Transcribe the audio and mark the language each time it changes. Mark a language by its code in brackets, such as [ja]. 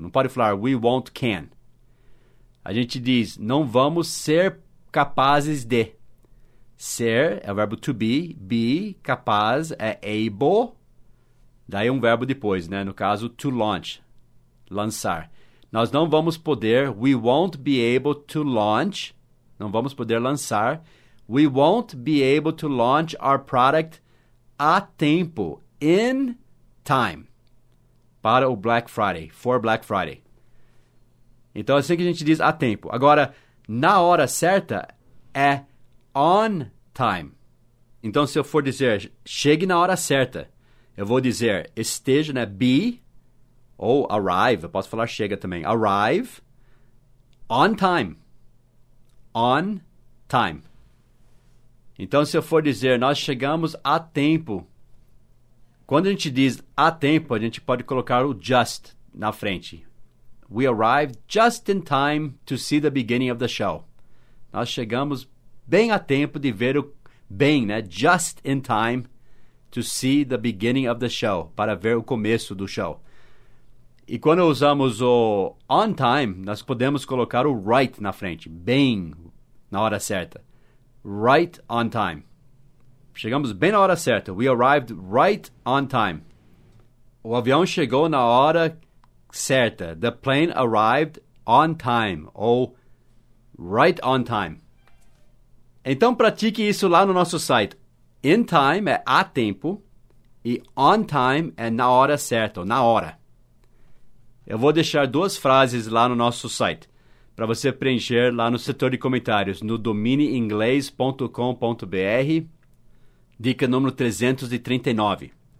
[pt] Não pode falar [en] we won't can. [pt] A gente diz não vamos ser capazes de. Ser é o verbo to be. Be, capaz, é able. Daí um verbo depois, né? No caso, to launch. Lançar. Nós não vamos poder, [en] we won't be able to launch. [pt] Não vamos poder lançar. [en] We won't be able to launch our product [pt] a tempo, [en] in time, [pt] para o Black Friday, [en] for Black Friday. [pt] Então, assim que a gente diz a tempo. Agora, na hora certa, é [en] on time. [pt] Então, se eu for dizer, chegue na hora certa, eu vou dizer, esteja, né, be, ou arrive, eu posso falar chega também, [en] arrive, on time. On time. [pt] Então, se eu for dizer, nós chegamos a tempo. Quando a gente diz a tempo, a gente pode colocar o just na frente. [en] We arrived just in time to see the beginning of the show. [pt] Nós chegamos bem a tempo de ver o bem, né? [en] Just in time to see the beginning of the show, [pt] para ver o começo do show. E quando usamos o on time, nós podemos colocar o right na frente, bem na hora certa. [en] Right on time. [pt] Chegamos bem na hora certa. [en] We arrived right on time. [pt] O avião chegou na hora certa. [en] The plane arrived on time. Ou right on time. [pt] Então pratique isso lá no nosso site. In time é a tempo. E on time é na hora certa. Ou na hora. Eu vou deixar duas frases lá no nosso site para você preencher lá no setor de comentários, no domineinglês.com.br, dica número 339.